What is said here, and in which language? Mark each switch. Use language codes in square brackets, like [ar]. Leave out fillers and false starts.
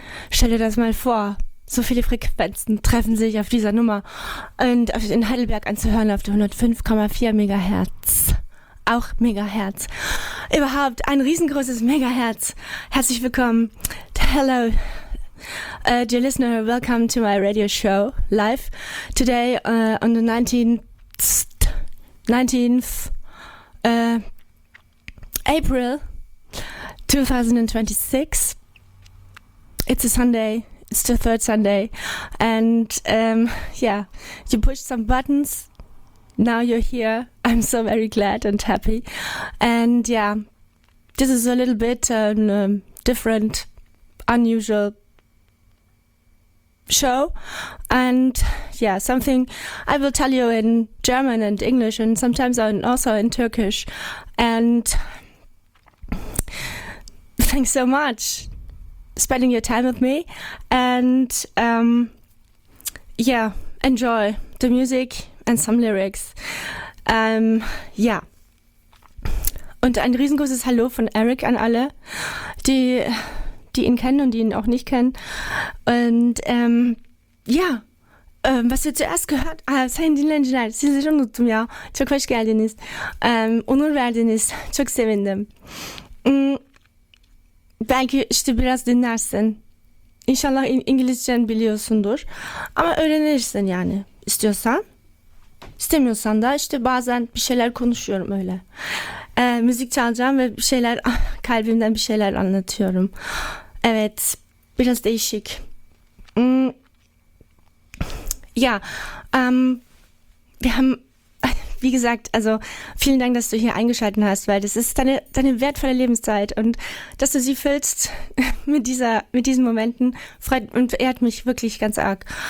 [de] Stell dir das mal vor. So viele Frequenzen treffen sich auf dieser Nummer und in Heidelberg anzuhören auf der 105,4 Megahertz. Auch Megahertz. Überhaupt ein riesengroßes Megahertz. Herzlich willkommen. [en] Hello. Dear listener, welcome to my radio show live today on the 19th April 2026. It's a Sunday. It's the third Sunday, and yeah, you pushed some buttons. Now you're here. I'm so very glad and happy. And yeah, this is a little bit different, unusual show. And yeah, something I will tell you in German and English and sometimes also in Turkish. And thanks so much spending your time with me. And yeah, enjoy the music and some lyrics. [de] Ja. Und ein riesengroßes Hallo von Eric an alle, die ihn kennen und die ihn auch nicht kennen. Und ja, was wir zuerst gehört haben, sind die Länder, sie sind schon zum Jahr, zurück was gelten ist, und werden ist, zurück sehenden. [tr] Belki işte biraz dinlersin. İnşallah İngilizcen biliyorsundur. Ama öğrenirsin yani, istiyorsan. İstemiyorsan da işte bazen bir şeyler konuşuyorum öyle. Müzik çalacağım ve bir şeyler kalbimden bir şeyler anlatıyorum. Evet, biraz değişik. [de] Ja, wir haben, wie gesagt, also vielen Dank, dass du hier eingeschaltet hast, weil das ist deine wertvolle Lebenszeit und dass du sie füllst mit diesen Momenten freut und ehrt mich wirklich ganz arg.